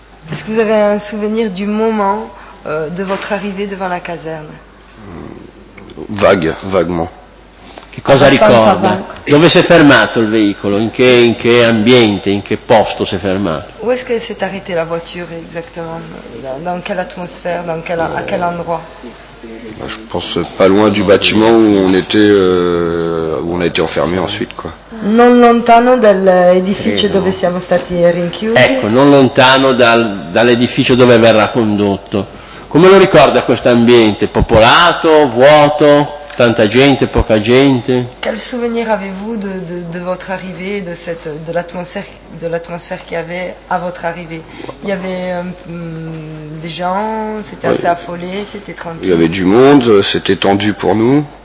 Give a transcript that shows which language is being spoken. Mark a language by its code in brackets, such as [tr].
[fr] Est-ce que vous avez un souvenir du moment de votre arrivée devant la caserne? Vaguement. [it] Che cosa ricorda? Dove si è fermato il veicolo? In che ambiente? In che posto si è fermato? [fr] Où est-ce que s'est arrêtée la voiture exactement? Dans quelle atmosphère? À quel endroit? Je pense pas loin du bâtiment où on a été enfermé ensuite, quoi. [it] Non lontano dall'edificio dove siamo stati rinchiusi. Ecco, non lontano dall'edificio dove verrà condotto. Come lo ricorda questo ambiente? Popolato? Vuoto? Tanta gente, poca gente. [fr] Quel souvenir avez-vous de votre arrivée, de l'atmosphère qu'il y avait à votre arrivée? Il y avait des gens, c'était assez affolé, c'était tranquille. Il y avait du monde, c'était tendu pour nous.